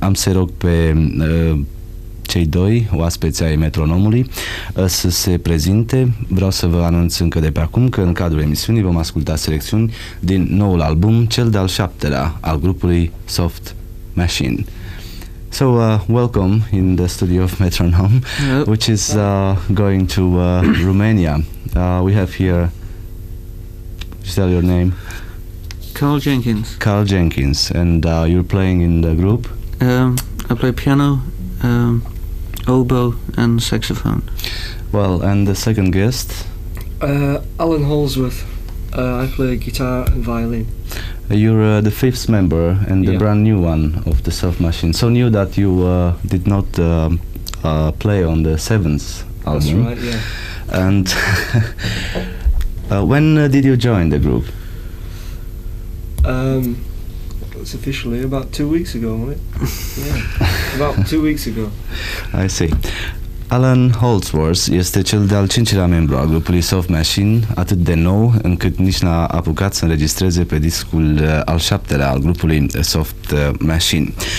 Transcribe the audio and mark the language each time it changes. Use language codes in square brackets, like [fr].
[ro] Am să-i rog pe cei doi oaspeți ai Metronomului să se prezinte. Vreau să vă anunț încă de pe acum că în cadrul emisiunii vom asculta selecțiuni din noul album, cel de-al șaptelea al grupului Soft Machine. [en] So, welcome in the studio of Metronom, which is going to Romania. We have here, just tell your name. Carl Jenkins. Carl Jenkins. And you're playing in the group? I play piano, oboe and saxophone. Well, and the second guest? Alan Holdsworth. I play guitar and violin. You're the fifth member and the brand new one of the Soft Machine. So new that you did not play on the seventh album. That's right, yeah. And when did you join the group? It's officially about 2 weeks ago, wasn't it? About 2 weeks ago. I see. [ro] Alan Holdsworth este cel de-al cincilea membru al grupului Soft Machine, atât de nou încât nici n-a apucat să înregistreze pe discul al șaptelea al grupului Soft Machine.